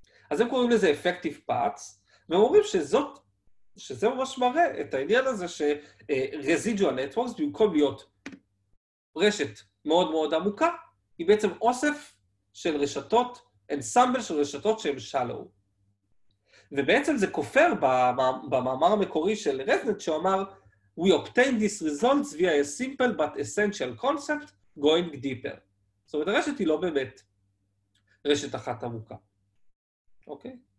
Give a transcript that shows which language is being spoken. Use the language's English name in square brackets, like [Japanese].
[Hebrew] אז הם קוראים לזה effective paths, והם אומרים שזה ממש מראה את העניין הזה ש-residual networks, במקום להיות רשת מאוד מאוד עמוקה, היא בעצם אוסף של רשתות, ensemble של רשתות שהן shallow. ובעצם זה כופר במאמר המקורי של רזנט, שהוא אמר, [English] we obtain these results via a simple but essential concept going deeper. [Hebrew] זאת אומרת, הרשת היא לא באמת רשת אחת עמוקה. אוקיי?